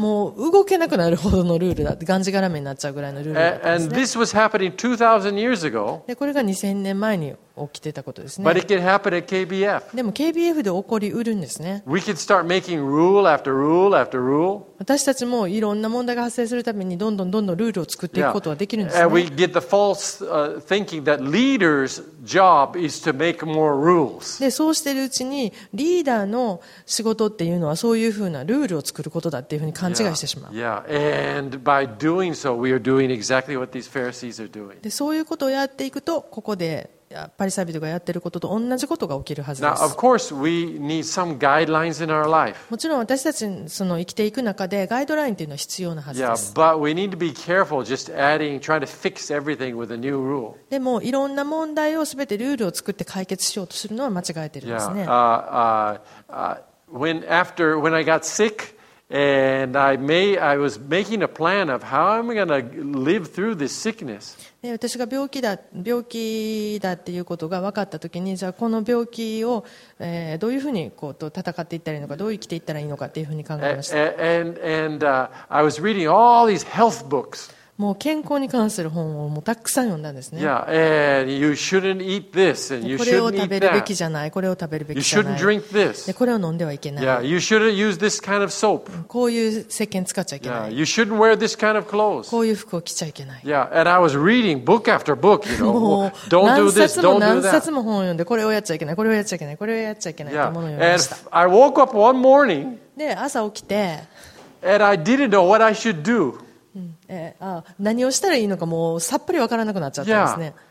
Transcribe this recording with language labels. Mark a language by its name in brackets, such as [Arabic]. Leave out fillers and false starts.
[Japanese] もう動けなくなるほどのルールだ。がんじがらめになっちゃうぐらいのルールだったんですね。 [English] And this was happening 2,000 years ago. [Japanese] で、これが2000年前に起きてたことですね。 [English] But it can happen at KBF. [Japanese] でも KBF で起こりうるんですね。 [English] We could start making rule after rule after rule. [Japanese] 私たちもいろんな問題が発生するためにどんどんどんどんルールを作っていくことはできるんですね。 [English] And we get the false thinking that leaders' job is to make more rules. [Japanese] で、そうしてるうちにリーダーの仕事っていうのはそういうふうなルールを作ることだっていうふうに勘違いしてしまう。 [English] Yeah. And by doing so, we are doing exactly what these Pharisees are doing. [Japanese] で、そういうことをやっていくと、ここでパリサイ人がやっていることと同じことが起きるはずです。 [English] Now, of course, we need some guidelines in our life. [Japanese] もちろん私たちその生きていく中でガイドラインっていうのは必要なはずです。 [English] Yeah, but we need to be careful just adding, trying to fix everything with a new rule. [Japanese] でもいろんな問題をすべてルールを作って解決しようとするのは間違えてるんですね。 [English] Yeah, when I got sick and I was making a plan of how I'm going to live through this sickness. [Japanese] 私が病気だっていうことが分かったときに、じゃあこの病気を、どういうふうにこうと戦っていったらいいのか、どう生きていったらいいのかっていうふうに考えました。 [English] I was reading all these health books. [Japanese] もう健康に関する本をもうたくさん読んだんですね。 [English] Yeah, and you shouldn't eat this, and you shouldn't eat that. [Japanese] これを食べるべきじゃない、これを食べるべきじゃない。 [English] You shouldn't drink this. [Japanese] で、これを飲んではいけない。 [English] Yeah, you shouldn't use this kind of soap. [Japanese] こういう石鹸使っちゃいけない。 [English] Yeah, you shouldn't wear this kind of clothes. [Japanese] こういう服を着ちゃいけない。 [English] Yeah, and I was reading book after book, you know. Don't do this, don't do that. [Japanese] 何冊も本を読んで、これをやっちゃいけない、これをやっちゃいけない、これをやっちゃいけないってものを読みました。 [English] Yeah, and I woke up one morning. [Japanese] で、朝起きて。 [English] And I didn't know what I should do. [Japanese] 何をしたらいいのかもうさっぱりわからなくなっちゃったんですね。